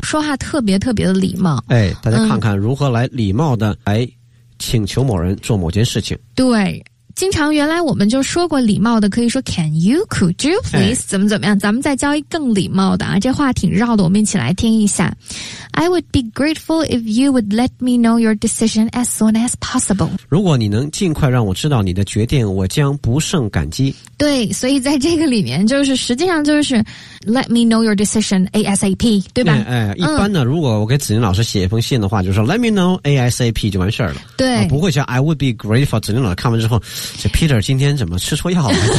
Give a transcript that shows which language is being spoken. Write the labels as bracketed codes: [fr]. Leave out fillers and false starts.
[zh] 说话特别特别的礼貌，哎，大家看看如何来礼貌的来请求某人做某件事情、嗯、对，经常原来我们就说过礼貌的可以说 [en] can you could you please、哎、 [zh] 怎么怎么样，咱们再教一更礼貌的啊，这话挺绕的，我们一起来听一下。 [en] I would be grateful if you would let me know your decision as soon as possible. [zh] 如果你能尽快让我知道你的决定我将不胜感激。对，所以在这个里面就是实际上就是 [en] let me know your decision ASAP [zh] 对吧、哎哎、一般呢、嗯、如果我给子宁老师写一封信的话就是 [en] let me know ASAP [zh] 就完事了，对、啊、不会叫 [en] I would be grateful， [zh] 子宁老师看完之后这 Peter 今天怎么吃错药了